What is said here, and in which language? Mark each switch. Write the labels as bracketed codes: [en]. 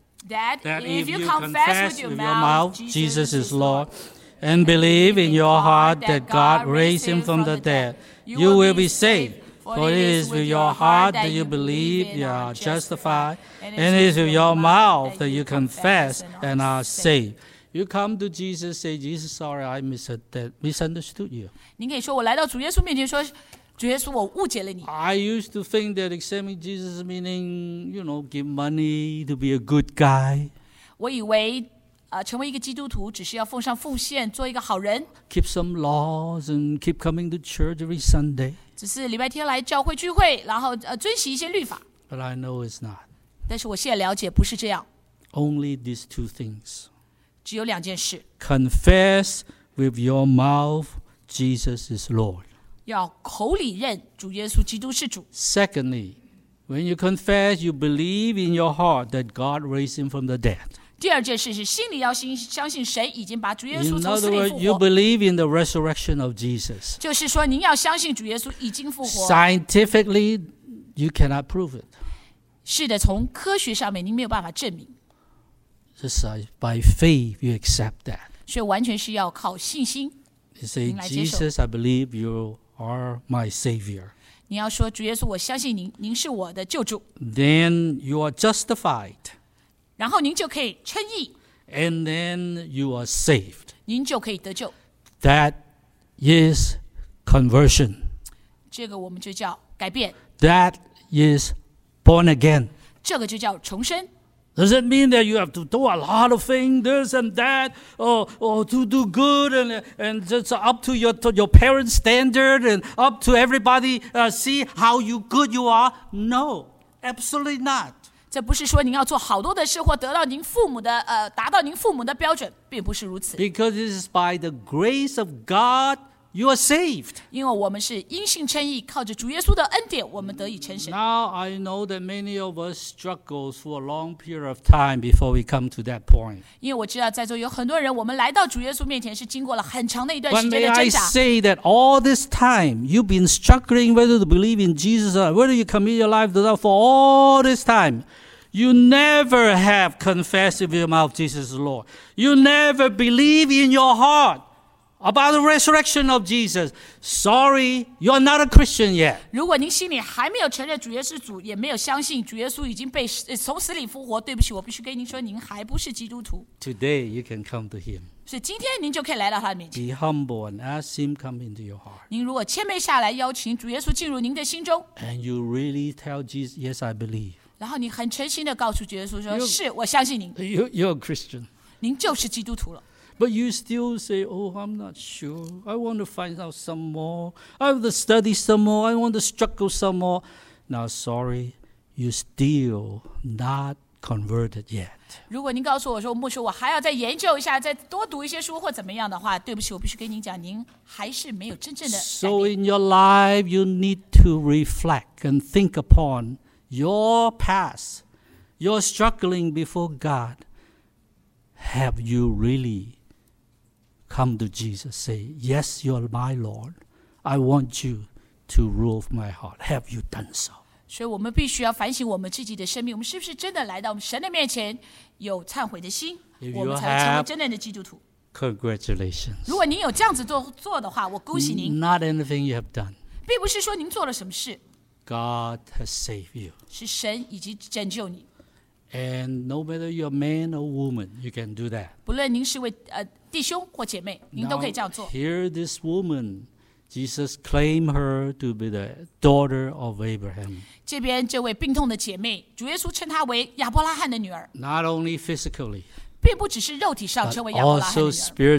[en] That if you confess with your mouth Jesus is Lord, and believe in your heart that God raised him from the dead, you will be saved. For it is with your heart that you believe you are justified, and it is with your mouth that you confess and are saved. You come to Jesus, say, Jesus, sorry, I misunderstood you. [zh] 您可以说，我来到主耶稣面前说，主耶稣，我误解了你。 [en] I used to think that accepting Jesus meaning, you know, give money to be a good guy. [zh] 我以为成为一个基督徒只是要奉上奉献，做一个好人。 [en] Keep some laws and keep coming to church every Sunday. [zh] 只是礼拜天来教会聚会，然后遵行一些律法。 [en] But I know it's not. [zh] 但是我现在了解不是这样。 [en] Only these two things. [zh] 只有两件事。 [en] Confess with your mouth Jesus is Lord. [zh] 要口里认主耶稣基督是主。 [en] Secondly, when you confess, you believe in your heart that God raised him from the dead. [zh] 第二件事是心里要相信神已经把主耶稣从死里复活。 [en] In other words, you believe in the resurrection of Jesus. [zh] 就是说您要相信主耶稣已经复活。 [en] Scientifically, you cannot prove it. [zh] 是的，从科学上面您没有办法证明。 [en] Just by faith, you accept that. [zh] 所以完全是要靠信心。 [en] You say, Jesus, I believe you are my Savior. [zh] 你要说主耶稣，我相信您，您是我的救主。 [en] Then you are justified. [zh] 然后您就可以称义。 [en] And then you are saved. [zh] 您就可以得救。 [en] That is conversion. [zh] 这个我们就叫改变。 [en] That is born again. [zh] 这个就叫重生。 [en] Does it mean that you have to do a lot of things, this and that, or to do good and just up to your parents' standard and up to everybody see how you good you are? No, absolutely not. [zh] 这不是说您要做好多的事或得到您父母的达到您父母的标准，并不是如此。 [en] Because it is by the grace of God you are saved. [zh] 因为我们是因信称义，靠着主耶稣的恩典，我们得以成神。 [en] Now I know that many of us struggle for a long period of time before we come to that point. [zh] 因为我知道在座有很多人，我们来到主耶稣面前是经过了很长的一段时间的挣扎。 [en] But may I say that all this time you've been struggling whether to believe in Jesus or whether you commit your life to God for all this time. You never have confessed with your mouth Jesus is Lord. You never believe in your heart about the resurrection of Jesus. Sorry, you are not a Christian yet. [zh] 如果您心里还没有承认主耶稣主，也没有相信主耶稣已经被从死里复活，对不起，我必须跟您说，您还不是基督徒。 [en] Today you can come to Him. [zh] 所以今天您就可以来到他的面前。 [en] Be humble and ask Him come into your heart. [zh] 您如果谦卑下来，邀请主耶稣进入您的心中。 [en] And you really tell Jesus, "Yes, I believe." [zh] 然后你很诚心地告诉主耶稣说 是我相信您 [en] You're a Christian [zh] 您就是基督徒了 [en] But you still say Oh I'm not sure I want to find out some more I want to study some more I want to struggle some more Now sorry You're still not converted yet [zh] 如果您告诉我说牧师我还要再研究一下再多读一些书或怎么样的话对不起我必须跟您讲您还是没有真正的 [en] So in your life You need to reflect And think uponYour past, your struggling before God, have you really come to Jesus? Say, yes, you're my Lord. I want you to rule my heart. Have you done so? [zh] 所以我们必须要反省我们自己的生命。我们是不是真的来到神的面前有忏悔的心？我们才成为真正的基督徒。 [en] Congratulations. [zh] 如果您有这样子 做的话，我恭喜您。 [en] Not anything you have done. [zh] 并不是说您做了什么事。 [en] God has saved you. [zh] 是神已经拯救你。 [en] And no matter you're man or woman, you can do that. [zh] 不论您是位弟兄或姐妹，您都可以这样做。 [en] Now, here this woman, Jesus claimed her to be the daughter of Abraham. [zh] 这边这位病痛的姐妹，主耶稣称她为亚伯拉罕的女儿。 [en] Not only physically, [zh] 并不只是肉体上称为亚伯拉罕的女儿。